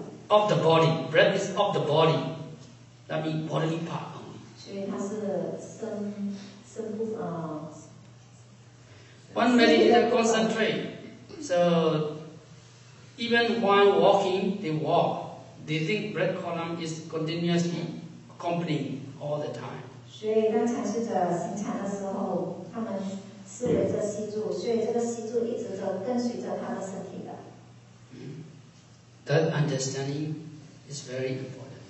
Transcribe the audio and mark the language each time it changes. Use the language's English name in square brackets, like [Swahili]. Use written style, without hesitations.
[English] Of the body, breath is of the body. That means bodily part only. [Chinese] 所以它是身部啊。One [English] meditator concentrate. So even while walking, they walk. They think breath column is continuously accompanying all the time. [Chinese] 所以当禅师者行禅的时候，他们思维着吸住，所以这个吸住一直都跟随着他的身体的。 [English] That understanding is very important.